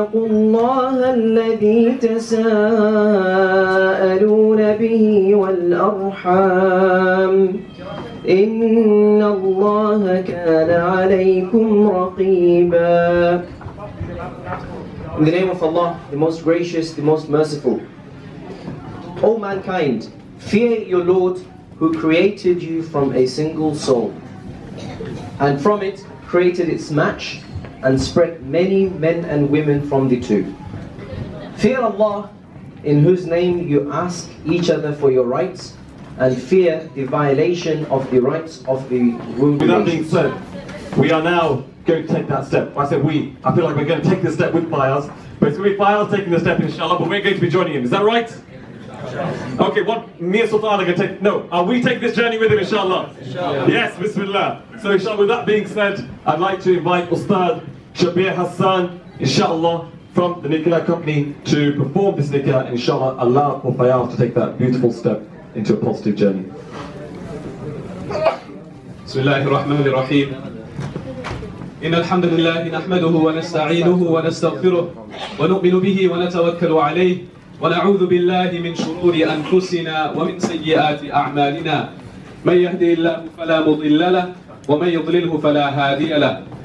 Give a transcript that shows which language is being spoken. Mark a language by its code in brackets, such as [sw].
[ar] الله الذي تساءلون به والأرحام إن الله كان عليكم رقيبا. [en] In the name of Allah, the most gracious, the most merciful. O mankind, fear your Lord who created you from a single soul, and from it created its match and spread many men and women from the two. Fear Allah, in whose name you ask each other for your rights, and fear the violation of the rights of the ruling. With that being said, we are now going to take that step. I said we. I feel like we're going to take this step with Fayaaz. But it's going to be Fayaaz taking the step, inshallah, but we're going to be joining him. Is that right? Okay, what me and Sultan are going to take? No, are we taking this journey with him, inshallah? Yes, bismillah. So inshallah, with that being said, I'd like to invite Ustad Shabbir Hassan, inshallah, from the Nikah Company to perform this Nikah, inshallah, Allah for Fayaaz to take that beautiful step into a positive journey. [ar] Bismillahirrahmanirrahim. إن الحمد لله نحمده ونستعينه ونستغفره ونؤمن به ونتوكل عليه ونعوذ بالله من شرور أنفسنا ومن سيئات أعمالنا من يهدي الله فلا مضل له ومن يضلله فلا هادي له